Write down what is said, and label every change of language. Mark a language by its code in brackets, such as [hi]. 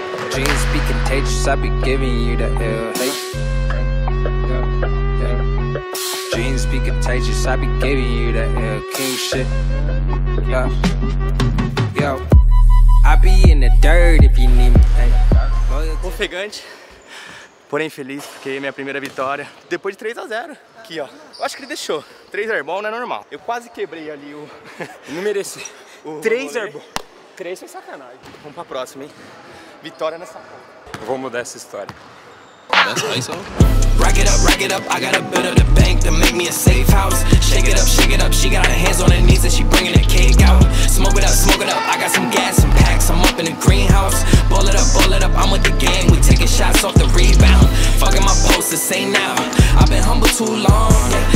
[en] Dreams be contagious, I be giving you the ill. Dreams be contagious, I be giving you the ill. King shit. Yo, I be in the dirt if you need me. [pt] Ofegante, porém feliz, porque minha primeira vitória. Depois de 3-0. Aqui, ó. Eu acho que ele deixou. 3 airball não é normal. Eu quase quebrei ali o. Não mereci. 3 airball. 3 foi sacanagem. Vamos pra próxima, hein? Vitória nessa porra. Vou mudar essa história. [en] Rack it up, rack it up. I gotta build up the bank to make me a safe house. Shake it up, she got her hands on her knees and she bringing the cake out. Smoke it up, I got some gas, some packs, I'm up in the greenhouse. Ball it up, I'm with the game, we taking shots off the rebound. Fucking my post to say now, I've been humble too long, yeah.